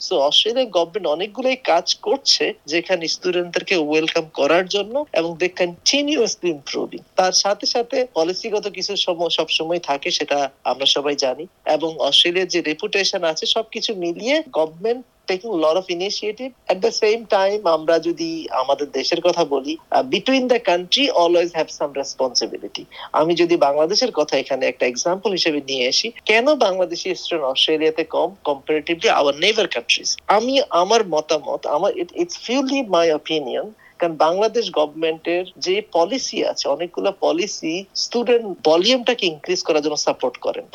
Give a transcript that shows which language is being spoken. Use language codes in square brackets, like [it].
[bn] So Australian government অনেকগুলোই কাজ করছে যেখানে স্টুডেন্টদেরকে ওয়েলকাম করার জন্য এবং [en] They continuously improving. [bn] তার সাথে সাথে পলিসিগত কিছু সবসময় থাকে, সেটা আমরা সবাই জানি, এবং অস্ট্রেলিয়ার যে রেপুটেশন আছে সবকিছু মিলিয়ে government [en] taking a lot of initiative. At the same time, [bn] আমরা যদি আমাদের দেশের কথা বলি, [en] between the country always have some responsibility. [bn] আমি যদি বাংলাদেশের কথা এখানে একটা এক্সাম্পল হিসেবে নিয়ে আসি, কেন বাংলাদেশি স্টুডেন্ট অস্ট্রেলিয়াতে কম কম্পারেটিভলি [en] Our neighbour countries? [bn] আমি আমার মতামত, আমার [en] it's purely my opinion, [bn] কারণ বাংলাদেশ গভর্নমেন্টের যে পলিসি আছে, অনেকগুলো পলিসি স্টুডেন্ট ভলিউমটাকে ইনক্রিজ করার জন্য সাপোর্ট করেন।